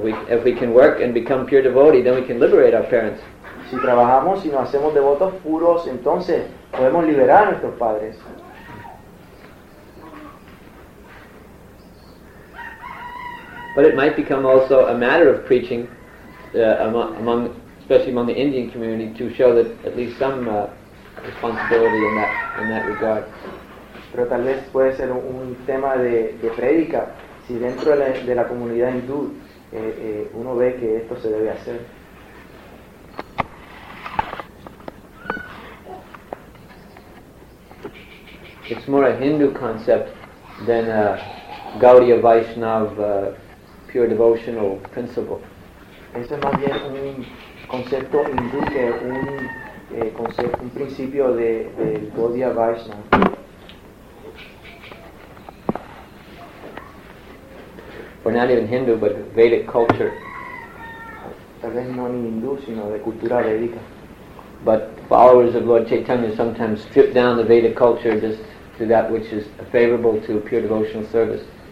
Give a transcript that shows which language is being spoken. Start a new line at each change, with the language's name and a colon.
English: If we can work and become pure devotees, then we can liberate our parents.
Spanish: Si trabajamos y nos hacemos devotos puros, entonces podemos liberar a nuestros padres.
English: But it might become also a matter of preaching among especially among the Indian community to show that at least some responsibility in that regard.
Spanish: Pero tal vez puede ser un tema de prédica si dentro de la comunidad hindú uno ve que esto se debe hacer.
English: It's more a Hindu concept than a Gaudiya Vaishnav pure devotional principle.
Spanish: Eso es más bien un concepto hindú que un principio de Gaudiya Vaishnav.
English: We're not even Hindu, but Vedic culture.
Spanish: Tal vez no ni hindú, sino de cultura védica.
English: But followers of Lord Chaitanya sometimes strip down the Vedic culture just to that which is favorable to pure devotional service.